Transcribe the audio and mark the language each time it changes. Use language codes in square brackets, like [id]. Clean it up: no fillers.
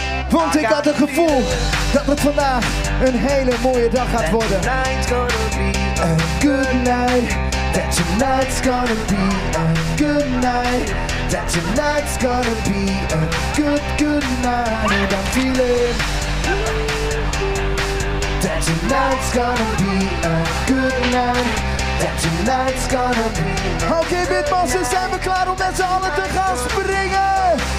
[nl] Want ik had het gevoel dat het vandaag een hele mooie dag gaat worden. [en] A good night, that tonight's gonna be a good night. That tonight's gonna be a good, good night. And I'm feeling that tonight's gonna be a good night. That tonight's gonna be a good night. [nl] Oké, witmassen, zijn we klaar om met z'n allen te gaan springen?